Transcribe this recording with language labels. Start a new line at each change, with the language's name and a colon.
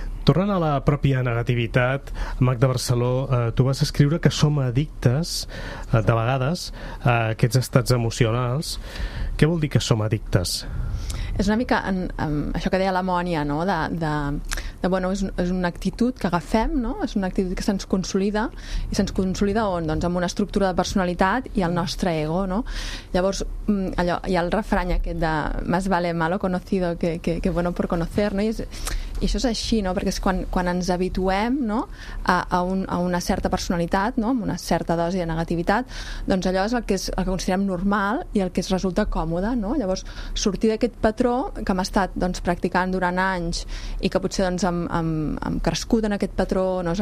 Catalan: Tornant a la pròpia negativitat, Magda Barceló, tu vas escriure que som addictes, de vegades, a aquests estats emocionals. Què vol dir que som addictes? És una mica això que deia la Mònia, no? Bueno, és una actitud que agafem, no? És una actitud que se'ns consolida. I se'ns consolida on? Doncs amb una estructura de personalitat i el nostre ego, no? Llavors, allò, hi ha el refrany aquest de
Spanish: más vale malo conocido que bueno por conocer,
Catalan: no? I això és així, no? Perquè és quan ens habituem, no? a una certa personalitat, no? Amb una certa dosi de negativitat, doncs allò és el que considerem normal i el que es resulta còmode, no? Llavors, sortir d'aquest patró que hem estat doncs, practicant durant anys i que potser doncs, hem crescut en aquest patró, no?